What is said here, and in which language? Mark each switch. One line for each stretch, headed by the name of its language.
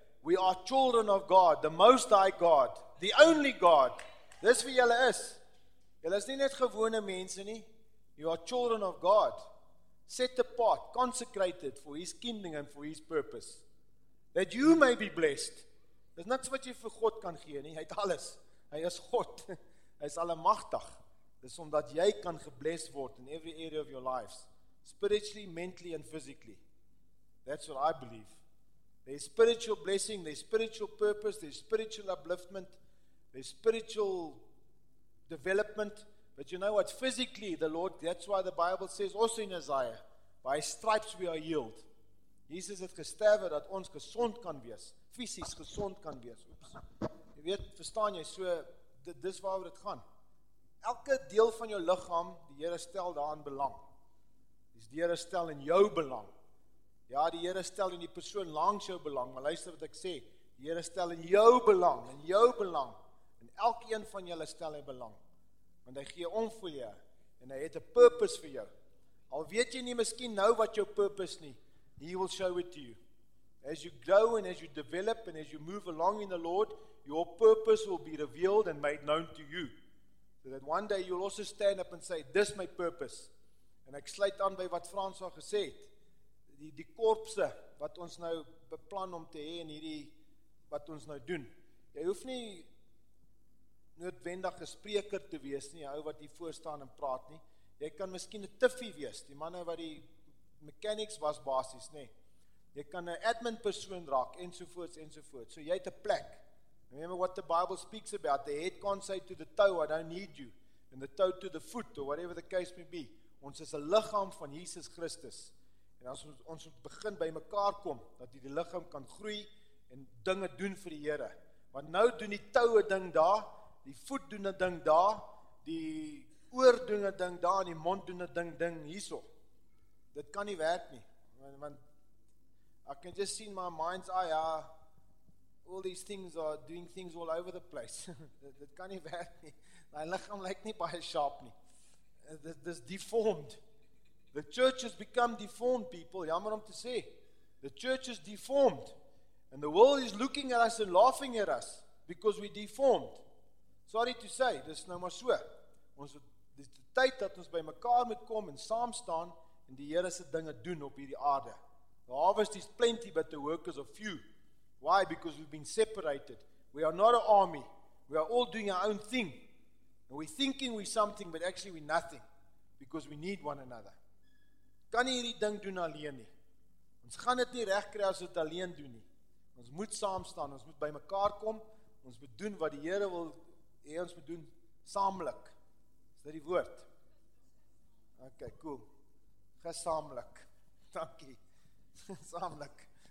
English: We are children of God, the Most High God, the only God.
Afrikaans: Dis wie julle is. Julle is nie net gewone mense nie.
English: You are children of God, set apart, consecrated for His kingdom and for His purpose, that you may be blessed.
Afrikaans: Dis niks wat jy vir God kan gee nie. Hy het alles. Hy is God, hy is allemachtig, dis omdat jy kan gebless word
English: in every area of your lives, spiritually, mentally and physically. That's what I believe. There's spiritual blessing, there's spiritual purpose, there's spiritual upliftment, there's spiritual development, but you know what, physically the Lord, that's why the Bible says also in Isaiah, by stripes we are healed.
Afrikaans: Jesus het gesterwe dat ons gesond kan wees, fysisk gesond kan wees. Oops. Weet, verstaan jy, so, dis waar dit gaan. Elke deel van jou lichaam, die Heere stel daarin belang. Die Heere stel in jou belang. Ja, die Heere stel in die persoon langs jou belang, maar luister wat ek sê, die Heere stel in jou belang, en elke een van julle stel in belang, want hy gee om vir jou, en hy het a purpose vir jou. Al weet jy nie miskien nou wat jou purpose nie,
English: He will show it to you. As you grow and as you develop and as you move along in the Lord, your purpose will be revealed and made known to you. So that one day you'll also stand up and say, this is my purpose.
Afrikaans: En ek sluit aan by wat Frans al gesê het. Die korpse wat ons nou beplan om te hê en hierdie wat ons nou doen. Jy hoef nie noodwendig 'n spreker te wees nie, ou wat hier voor staan en praat nie. Jy kan miskien 'n tiffie wees, die manne wat die mechanics was basis nie. Jy kan een admin persoon raak, en sovoorts. So jy het een plek.
English: Remember what the Bible speaks about, the head can't say to the toe, I don't need you. and the toe to the foot, or whatever the case may be.
Afrikaans: Ons is 'n liggaam van Jesus Christus. En as ons begin by mekaar kom, dat die liggaam kan groei en dinge doen vir die Here. Want nou doen die toe 'n ding daar, die voet doen 'n ding daar, die oor doen 'n ding daar, en die mond doen 'n ding hierso. Dit kan nie werk nie.
English: Want I can just see in my mind's eye, all these things are doing things all over the place.
Afrikaans: Dit kan nie werk nie. My liggaam lyk nie baie sharp nie.
English: Dit is deformed. The church has become deformed, people.
Afrikaans: Jammer om te sê.
English: The church is deformed. And the world is looking at us and laughing at us because we're deformed. Sorry to say,
Afrikaans: dis nou maar so. Ons dis die tyd dat ons by mekaar moet kom en saam staan en die Here se dinge doen op hierdie aarde.
English: The harvest is plenty, but the workers are few. Why? Because we've been separated. We are not an army. We are all doing our own thing. And we're thinking we're something, but actually we're nothing. Because we need one another.
Afrikaans: Kan nie hierdie ding doen alleen nie. Ons gaan dit nie reg kry as ons dit alleen doen nie. Ons moet saam staan, ons moet by mekaar kom, ons moet doen wat die Here wil hê ons moet doen, saamlik. Is dit die woord? OK, cool. Gesaamlik. Dankie. Saamlik.